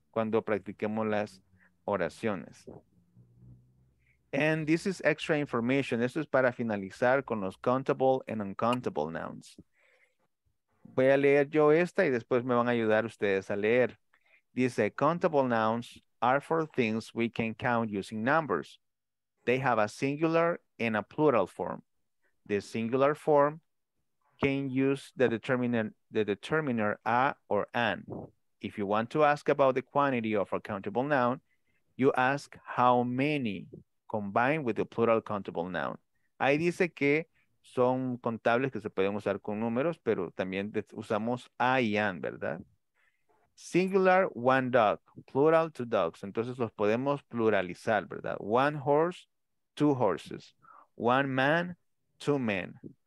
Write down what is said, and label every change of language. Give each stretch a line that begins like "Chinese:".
Spanish: Cuando practiquemos las oraciones.
English: And this is extra information.
Spanish: Esto es para finalizar con los
English: countable and uncountable nouns.
Spanish: Voy a leer yo esta y después me van a ayudar ustedes a leer.
English: Dice, countable nouns are for things we can count using numbers. They have a singular and a plural form. The singular form can use the determiner a or an. If you want to ask about the quantity of a countable noun, you ask how many combined with the plural countable noun.
Spanish: Ahí dice que son contables que se pueden usar con números, pero también usamos a y an, ¿verdad?
English: Singular, one dog. Plural, two dogs.
Spanish: Entonces los podemos pluralizar, ¿verdad?
English: One horse, two horses. One man, two men.